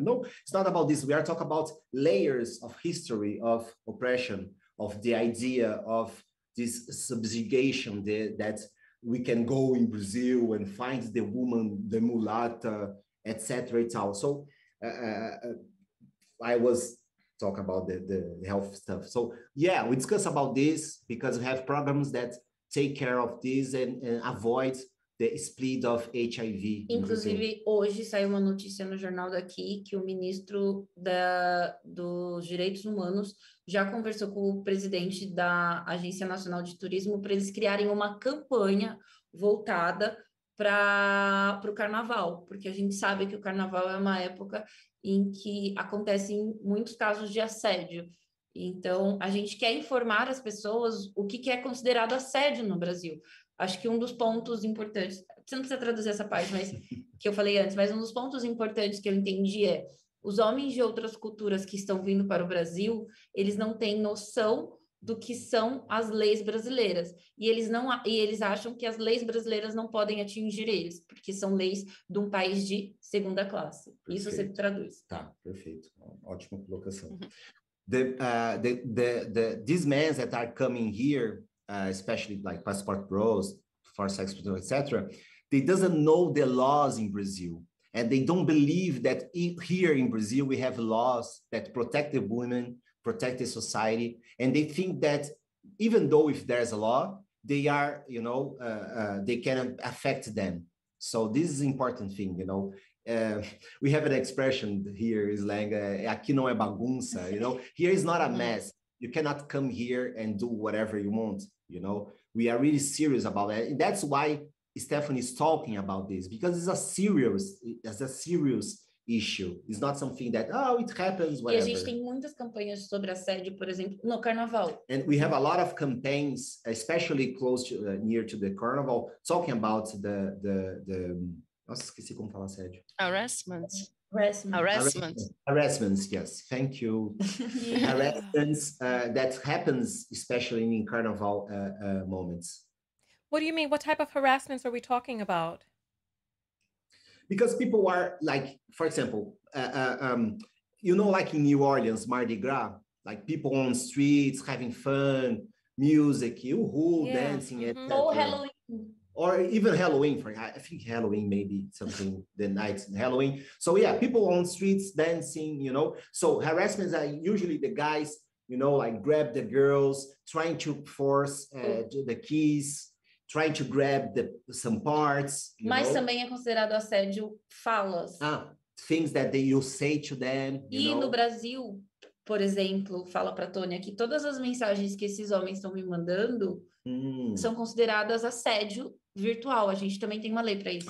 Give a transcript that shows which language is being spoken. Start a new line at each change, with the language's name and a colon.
English: No, it's not about this. We are talking about layers of history, of oppression, of the idea of this subjugation that we can go in Brazil and find the woman, the mulata, etc. So I was talking about the health stuff. So yeah, we discuss about this because we have programs that take care of this and avoid the spread of HIV.
Portuguese: Inclusive, hoje saiu uma notícia no jornal daqui que o ministro dos Direitos Humanos já conversou com o presidente da Agência Nacional de Turismo para eles criarem uma campanha voltada para o carnaval, porque a gente sabe que o carnaval é uma época em que acontecem muitos casos de assédio. Então, a gente quer informar as pessoas o que é considerado assédio no Brasil. Acho que um dos pontos importantes, você não precisa traduzir essa parte, mas que eu falei antes, mas um dos pontos importantes que eu entendi é os homens de outras culturas que estão vindo para o Brasil, eles não têm noção do que são as leis brasileiras. E eles acham que as leis brasileiras não podem atingir eles, porque são leis de um país de segunda classe. Perfeito. Isso você traduz. Tá, perfeito. Ótima colocação.
English: These men that are coming here, especially like Passport Bros, for sex, etc., they doesn't know the laws in Brazil. And they don't believe that here in Brazil, we have laws that protect the women, protect the society. And they think that even though if there's a law, they are, you know, they can affect them. So this is an important thing, you know. We have an expression here in slang,
Portuguese: aqui não é bagunça,
English: you know. Here is not a mess. You cannot come here and do whatever you want, you know. We are really serious about that. And that's why Stephanie is talking about this, because it's a serious issue. It's not something that, oh, it happens, whatever.
Portuguese: E a gente tem muitas campanhas sobre assédio, por exemplo, no carnaval.
English: And we have a lot of campaigns, especially close to, near to the carnival, talking about the
Portuguese: nossa, esqueci como falar assédio.
English: Harassments, yes. Thank you. Harassments that happens, especially in carnival moments. What do you mean? What type of harassments are we talking about? Because people are like, for example, you know, like in New Orleans, Mardi Gras, like people on streets having fun, music, yoohoo, dancing, etc. Oh, Halloween. or even Halloween. For I think Halloween may be something the nights in Halloween. So yeah, people on streets dancing, you know. So harassments are usually the guys, you know, like grab the girls, trying to force the keys, trying to grab the some parts.
Portuguese: Mas também é considerado assédio falas.
English: Ah, things that they, you say to them.
Portuguese: E no Brasil, por exemplo, fala para Tonya que todas as mensagens que esses homens estão me mandando são consideradas assédio virtual. A gente também tem uma lei para isso.